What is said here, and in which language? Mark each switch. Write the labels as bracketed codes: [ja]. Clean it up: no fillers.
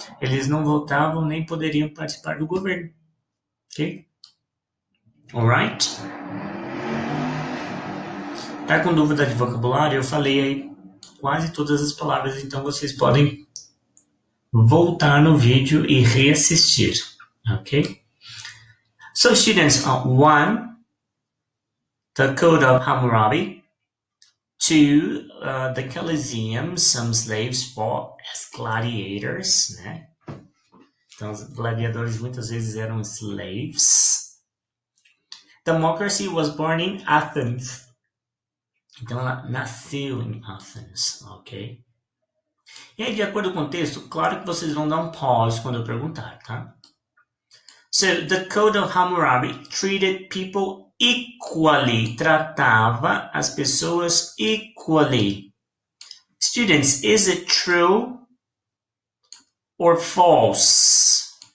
[pt] Eles não votavam nem poderiam participar do governo. Ok? [en] Alright? [pt] Tá com dúvida de vocabulário? Eu falei aí quase todas as palavras, então vocês podem voltar no vídeo e reassistir. Ok? [en] So students, one, the code of Hammurabi, two, the Colosseum, some slaves fought as gladiators, né? [pt] Então, os gladiadores muitas vezes eram slaves. [en] Democracy was born in Athens. [pt] Então, ela nasceu em Athens, ok? E aí, de acordo com o texto, claro que vocês vão dar um pause quando eu perguntar, tá? [en] So, the Code of Hammurabi treated people equally. [pt] Tratava as pessoas equally. [en] Students, is it true or false?